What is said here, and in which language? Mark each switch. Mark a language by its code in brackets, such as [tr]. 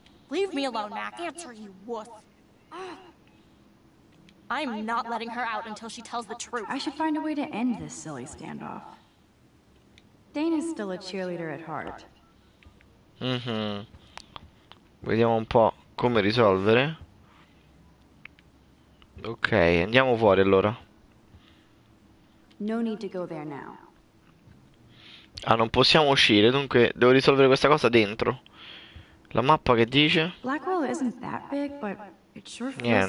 [en] Leave me alone, Mac. Answer, you wuss. I'm not letting her out until she tells the truth. I should find a way to end this silly standoff. Dana's still a cheerleader at heart. Mm-hmm. [it] Vediamo un po' come risolvere. Ok, andiamo fuori allora. [en] No need to go there now. [it] Ah, non possiamo uscire, dunque devo risolvere questa cosa dentro. La mappa che dice? [en] Blackwell isn't that big, but it sure feels